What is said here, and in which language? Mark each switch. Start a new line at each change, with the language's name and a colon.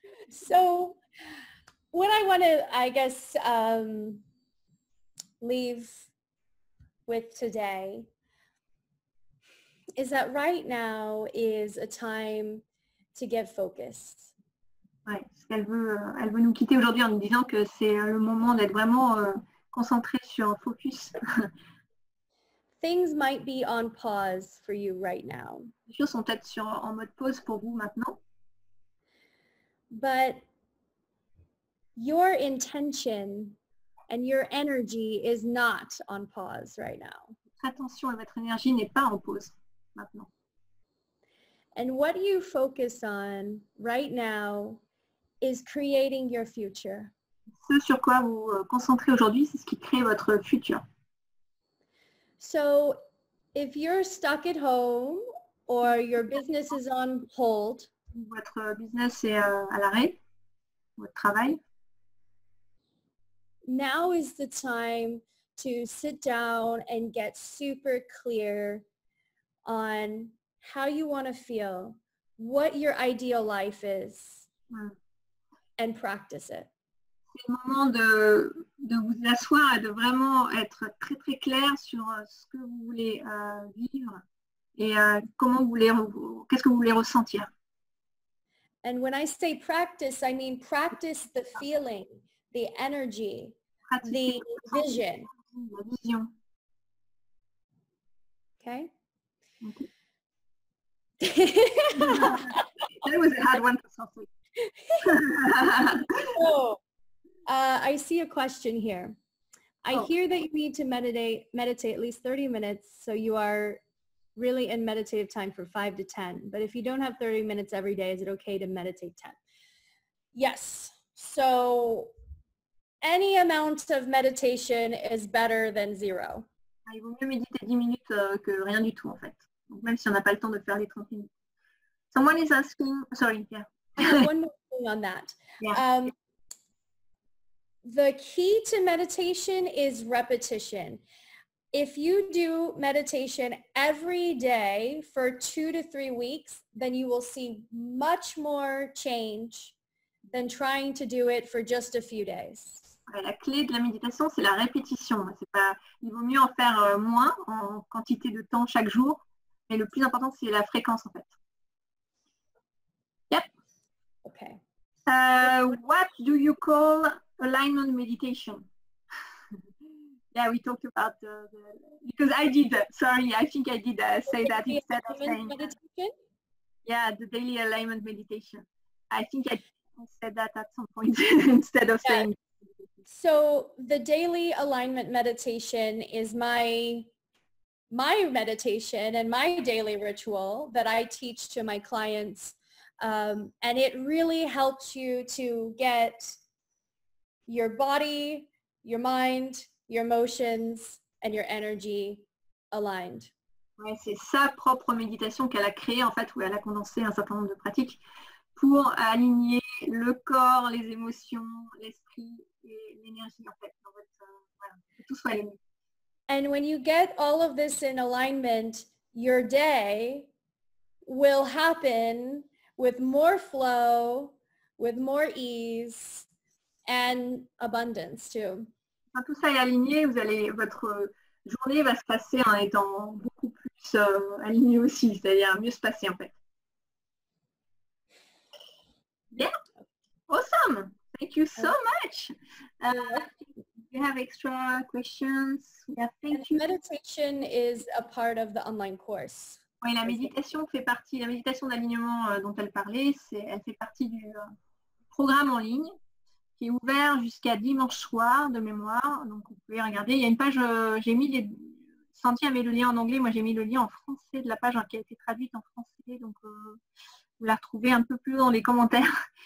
English: So what I want to, I guess, leave with today is that right now is a time to get focused.
French: Ouais, ce qu'elle veut, elle veut nous quitter aujourd'hui en nous disant que c'est le moment d'être vraiment concentré sur focus.
English: Things might be on pause for you right now.
French: Les choses sont peut-être sur, en mode pause pour vous maintenant.
English: But your intention and your energy is not on pause right now.
French: Attention, votre énergie n'est pas en pause maintenant.
English: And what you focus on right now is creating your future.
French: Ce sur quoi vous concentrez aujourd'hui, c'est ce qui crée votre futur.
English: So if you're stuck at home or your business is on hold,
French: votre business est à l'arrêt, votre travail,
English: now is the time to sit down and get super clear on how you want to feel, what your ideal life is, and practice it.
French: C'est le moment de vous asseoir et de vraiment être très très clair sur ce que vous voulez vivre et comment vous voulez, qu'est-ce que vous voulez ressentir.
English: And when I say practice, I mean practice the feeling, the energy,
French: pratique
English: the vision.
French: La vision.
English: Okay. That was a hard one for Sophie. I see a question here. I hear that you need to meditate at least 30 minutes, so you are really in meditative time for 5 to 10. But if you don't have 30 minutes every day, is it okay to meditate 10? Yes. So any amount of meditation is better than zero.
French: Il vaut mieux méditer 10 minutes que rien du tout, en fait. Donc même si on n'a pas le temps de faire les 30 minutes.
English: Someone is asking... Sorry, yeah. One more thing on that. Yeah. The key to meditation is repetition. If you do meditation every day for 2 to 3 weeks, then you will see much more change than trying to do it for just a few days.
French: Ouais, la clé de la méditation, c'est la répétition. C'est pas, il vaut mieux en faire moins en quantité de temps chaque jour, mais le plus important, c'est la fréquence, en fait.
English: Yep. Okay. What do you call alignment meditation? Yeah, we talked about the daily alignment meditation. I think I said that at some point instead of saying. So the daily alignment meditation is my meditation and my daily ritual that I teach to my clients. And it really helps you to get your body, your mind, your emotions and your energy aligned.
French: Ouais, c'est sa propre méditation qu'elle a créée, en fait, où elle a condensé un certain nombre de pratiques pour aligner le corps, les émotions, l'esprit et l'énergie, en fait, dans votre, voilà, que tout soit aligné.
English: And when you get all of this in alignment, your day will happen with more flow, with more ease and abundance too.
French: Quand tout ça est aligné, vous allez, votre journée va se passer en étant beaucoup plus aligné aussi, c'est-à-dire mieux se passer en fait.
English: Yeah, awesome. Thank you so much. Do you have extra questions? Yeah, thank you. Meditation is a part of the online course.
French: Oui, la méditation fait partie, la méditation d'alignement dont elle parlait, c'est, elle fait partie du programme en ligne qui est ouvert jusqu'à dimanche soir de mémoire. Donc, vous pouvez regarder. Il y a une page, j'ai mis les, Sandy a mis le lien en anglais, moi j'ai mis le lien en français de la page qui a été traduite en français, donc vous la retrouvez un peu plus dans les commentaires.